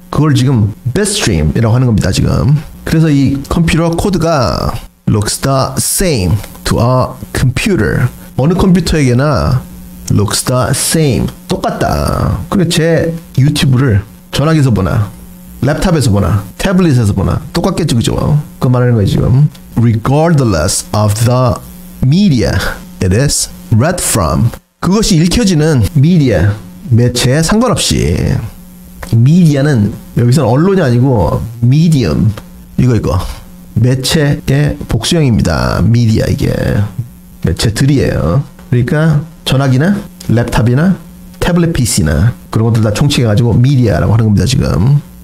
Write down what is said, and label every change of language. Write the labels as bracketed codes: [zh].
[ko] 그걸 지금 [en] best stream [ko] 이라고 하는 겁니다 지금. 그래서 이 컴퓨터 코드가 [en] looks the same to a computer. [ko] 어느 컴퓨터에게나 [en] looks the same. [ko] 똑같다. 그리고 제 유튜브를 전화기에서 보나 랩탑에서 보나 태블릿에서 보나 똑같겠죠 그죠? 그 말하는 거예요 지금. [en] Regardless of the media it is read from. [ko] 그것이 읽혀지는 미디어 매체에 상관없이. 미디어는 여기서는 언론이 아니고 미디엄. 이거 매체의 복수형입니다. 미디어 이게 매체들이에요. 그러니까 전화기나 랩탑이나 태블릿 PC나 그런 것들 다 총칭해가지고 미디어라고 하는 겁니다 지금.